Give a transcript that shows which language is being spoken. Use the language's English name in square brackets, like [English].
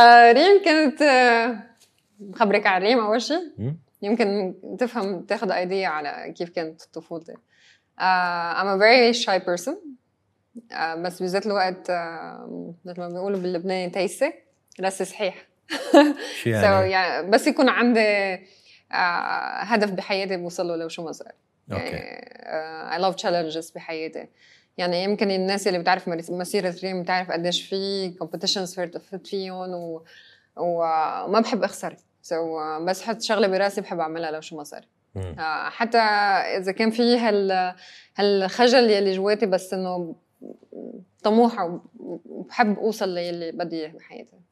[Arabic] ريم كانت خبرك عن ريم أول شيء يمكن تفهم تاخذ أيدي على كيف كانت طفولتي. [English] I'm a very shy person. [Arabic] بس بذات الوقت مثل ما بيقولوا باللبناني تايسة راس صحيح. [English] so, [Arabic] يعني بس يكون عندي هدف بحياتي بوصله لو شو ما صار. [English] I love challenges [Arabic] بحياتي. يعني يمكن الناس اللي بتعرف مسيرة ريم بتعرف قديش في competitions فرت فيهم وما بحب أخسر. [English] so, [Arabic] بس حط شغلة براسي بحب أعملها لو شو ما صار. حتى إذا كان في هالخجل يلي جواتي بس إنه طموحة وبحب أوصل للي بدي إياه بحياتي.